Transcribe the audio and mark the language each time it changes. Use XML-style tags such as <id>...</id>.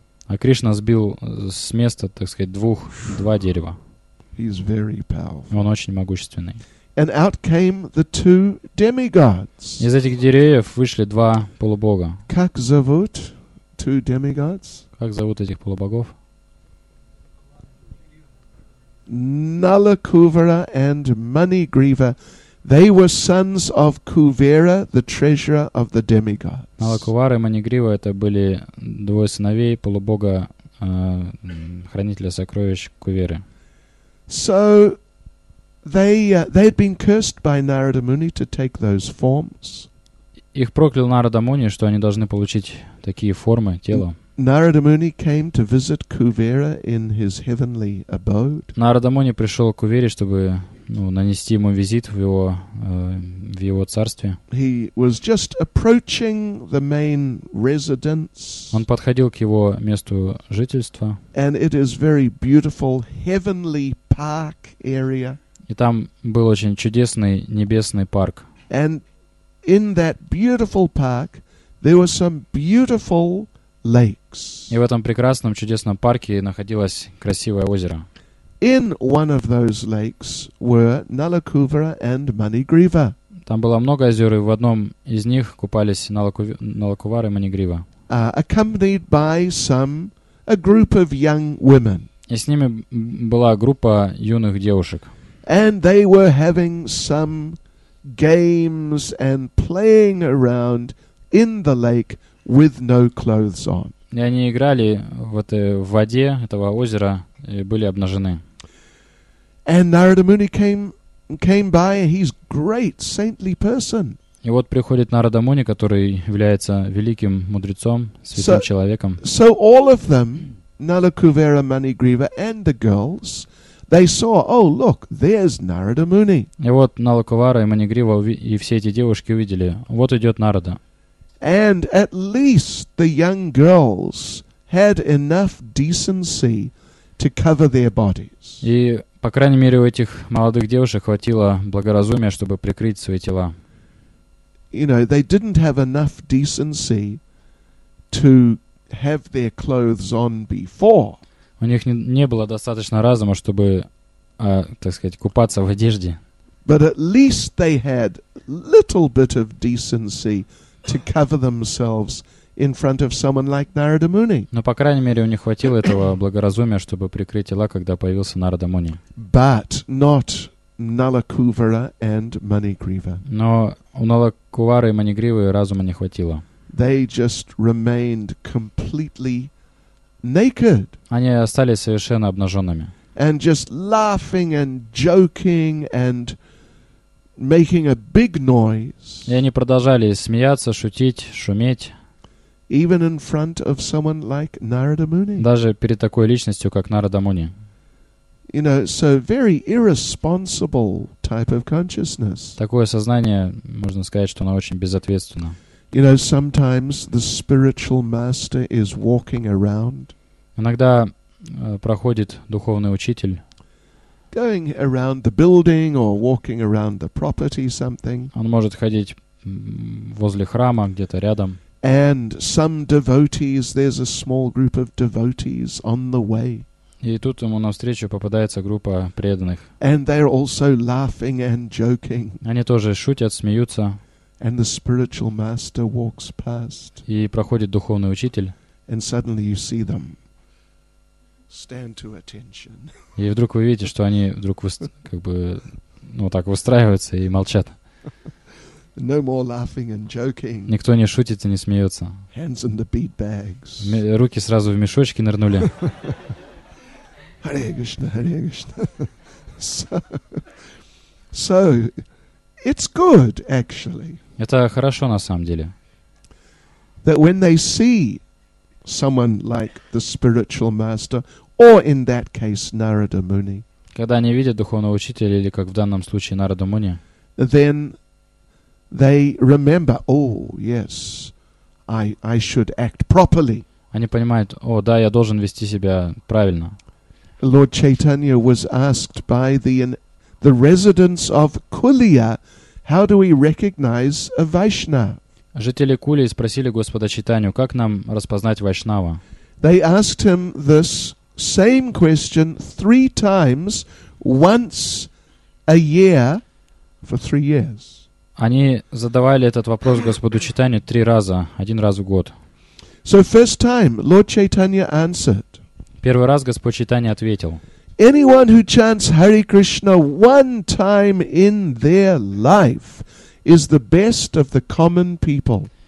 <ru>А Кришна сбил с места, так сказать, два дерева.</ru> <en>He's very powerful.</en> <ru>Он очень могущественный.</ru> <en>And out came the two demigods.</en> <ru>Из этих деревьев вышли два полубога. Как зовут</ru> <en>two demigods?</en> <ru>Как зовут этих полубогов?</ru> <en>Nalakuvara and Manigriva, they were sons of Kuvera, the treasurer of the demigods.</en> <ru>Nalakuvara и Manigriva это были двое сыновей полубога хранителя сокровищ Куверы.</ru> <en>So they had been cursed by Narada Muni to take those forms.</en> <ru>Их проклял Нарада Муни, что они должны получить такие формы тела.</ru> <en>Narada Muni came to visit Kuvera in his heavenly abode.</en> <ru>Narada Muni пришел к Кувере, чтобы нанести ему визит в его царстве.</ru> <en>He was just approaching the main residence.</en> <ru>Он подходил к его месту жительства.</ru> <en>And it is very beautiful heavenly park area.</en> <ru>И там был очень чудесный небесный парк.</ru> <en>And in that beautiful park there were some beautiful lakes.</en> <ru>И в этом прекрасном, чудесном парке находилось красивое озеро.</ru> <en>In one of those lakes were Nalakuvara and Manigriva.</en> <ru>Там было много озер, и в одном из них купались Налакувар и Манигрива.</ru> <en>Accompanied by a group of young women.</en> <ru>И с ними была группа юных девушек.</ru> <en>And they were having some games and playing around in the lake with no clothes on.</en> <ru>И они играли вот в воде этого озера и были обнажены.</ru> <en>And Narada Muni came by, and he's great saintly person.</en> <ru>И вот приходит Нарада Муни, который является великим мудрецом, святым человеком.</ru> <en>So all of them, Nalakuvera, Manigriva, and the girls, they saw, oh, look, there's Narada Muni.</en> <ru>И вот Налакувара и Манигрива и все эти девушки увидели, вот идет Нарада.</ru> <en>And at least the young girls had enough decency to cover their bodies.</en> <ru>И, по крайней мере, у этих молодых девушек хватило благоразумия, чтобы прикрыть свои тела.</ru> <en>You know, they didn't have enough decency to have their clothes on before.</en> <ru>У них не было достаточно разума, чтобы, так сказать, купаться в одежде.</ru> <en>But at least they had little bit of decency to cover themselves in front of someone like Narada Muni.</en> <ru>Но по крайней мере у них хватило этого благоразумия, чтобы прикрыть тела, когда появился Нарада Муни.</ru> <en>But not Nalakuvara and Manigriva.</en> <ru>Но у Налакувары и Манигривы разума не хватило.</ru> <en>They just remained completely naked.</en> <ru>Они остались совершенно обнаженными.</ru> <en>And just laughing and joking and making a big noise.</en> <ru>И они продолжали смеяться, шутить, шуметь.</ru> <en>Even in front of someone like Narada Muni.</en> <ru>Даже перед такой личностью, как Нарада Муни.</ru> <en>You know, so very irresponsible type of consciousness.</en> <ru>Такое сознание, можно сказать, что оно очень безответственно.</ru> <en>You know, sometimes the spiritual master is walking around.</en> <ru>Иногда проходит духовный учитель.</ru> <en>Going around the building or walking around the property something.</en> <ru>Он может ходить возле храма где-то рядом.</ru> <en>And some devotees, there's a small group of devotees on the way.</en> <ru>И тут ему навстречу попадается группа преданных.</ru> <en>And they're also laughing and joking.</en> <ru>Они тоже шутят, смеются.</ru> <en>And the spiritual master walks past.</en> <ru>И проходит духовный учитель.</ru> <en>And suddenly you see them. Stand to attention.</en> <ru>И вдруг вы видите, что они вдруг так выстраиваются и молчат.</ru> <en>No more laughing and joking.</en> <ru>Никто не шутит и не смеется.</ru> <en>Hands in the bead bags.</en> <ru>Руки сразу в мешочки нырнули.</ru> <en>Hare Krishna, Hare Krishna. So it's good actually.</en> <ru>Это хорошо на самом деле.</ru> <en>That when they see someone like the spiritual master, or in that case Narada Muni.</en> <ru>Когда они видят духовного учителя или как в данном случае Нарада Муни.</ru> <en>Then they remember, oh yes, I should act properly.</en> <ru>Они понимают, о да, я должен вести себя правильно.</ru> <en>Lord Chaitanya was asked by the residents of Kulia, how do we recognize a Vaishnava?</en> <ru>Жители Кулии спросили Господа Чайтанью, как нам распознать Вайшнава.</ru> <en>They asked him this same question 3 times, once a year, for 3 years.</en> <ru>Они задавали этот вопрос Господу Чайтанью 3 раза, 1 раз в год.</ru> <en>So first time, Lord Chaitanya answered.</en> <ru>Первый раз Господь Чайтанья ответил.</ru> <en>Anyone who chants Hare Krishna one time in their life is the best of the common people.</en>